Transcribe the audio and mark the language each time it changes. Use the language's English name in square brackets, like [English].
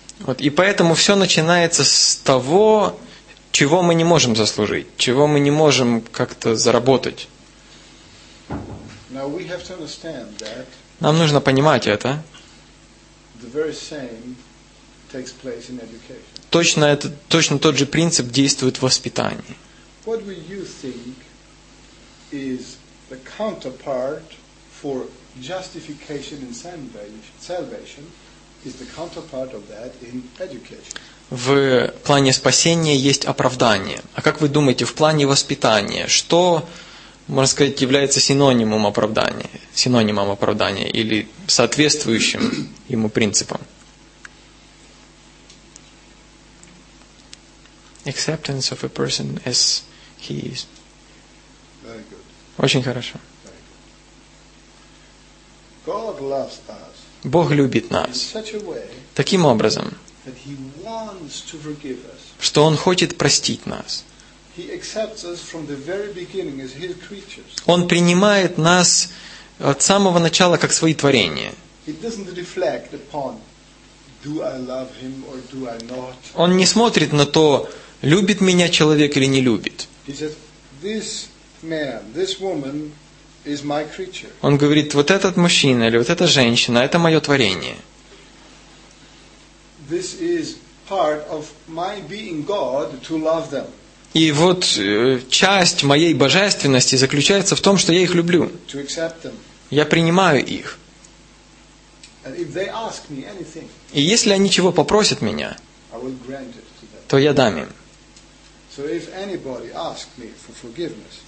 [Russian] Вот, и поэтому все начинается с того, чего мы не можем заслужить, чего мы не можем как-то заработать. [English] Now we have to understand that. [Russian] Нам нужно понимать это. [English] The very same takes place in education. [Russian] Точно, это, точно тот же принцип действует в воспитании. [English] What would you think is the counterpart for justification and salvation is the counterpart of that in education. [Russian] В плане спасения есть оправдание. А как вы думаете, в плане воспитания, что, можно сказать, является синонимом оправдания, или соответствующим ему принципом? [English] Acceptance of a person as he is. Very good. [Russian] Очень хорошо. [English] God loves us. [Russian] Бог любит нас [English] in such a way, [Russian] таким образом, [English] that he wants to forgive us. [Russian] Что Он хочет простить нас. [English] He accepts us from the very beginning as his creatures. [Russian] Он принимает нас от самого начала как свои творения. [English] It doesn't reflect upon, do I love him or do I not? [Russian] Он не смотрит на то, любит меня человек или не любит. [English] He says, this man, this woman, is my creature. [Russian] Он говорит, вот этот мужчина или вот эта женщина, это мое творение. [English] This is part of my being God to love them. [Russian] И вот часть моей божественности заключается в том, что я их люблю. [English] To accept them. [Russian] Я принимаю их. [English] And if they ask me anything, [Russian] и если они чего попросят меня, [English] I will grant it to them. [Russian] То я дам им. [English] So if anybody asks me for forgiveness,